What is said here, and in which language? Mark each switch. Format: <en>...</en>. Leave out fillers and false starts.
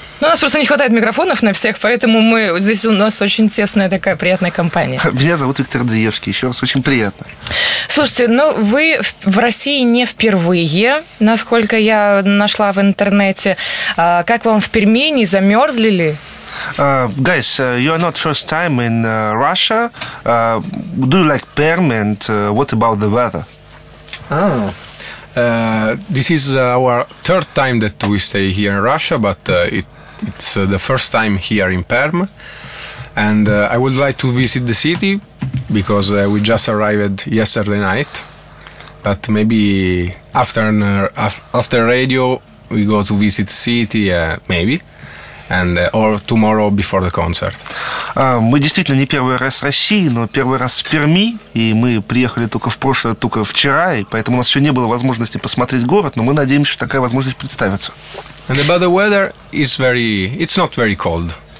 <ru>Ну, у нас просто не хватает микрофонов на всех, поэтому мы здесь у нас очень тесная такая приятная компания. Меня зовут Виктор Дзиевский, еще раз очень приятно. Слушайте, ну вы в России не впервые, насколько я нашла в интернете. Как вам в Перми, не замерзли ли?</ru> <en>Guys, you are not first time in Russia. Do you like Perm and what about the weather? This is our third time that we stay here in Russia, but it's the first time here in Perm. And I would like to visit the city, because we just arrived yesterday night. But maybe after radio, we go to visit the city, maybe. And or tomorrow before the concert.</en> <ru>Мы действительно не первый раз в России, но первый раз в Перми, и мы приехали только вчера, и поэтому у нас еще не было возможности посмотреть город, но мы надеемся, что такая возможность представится.</ru> <en>And about the weather, it's not very cold.</en>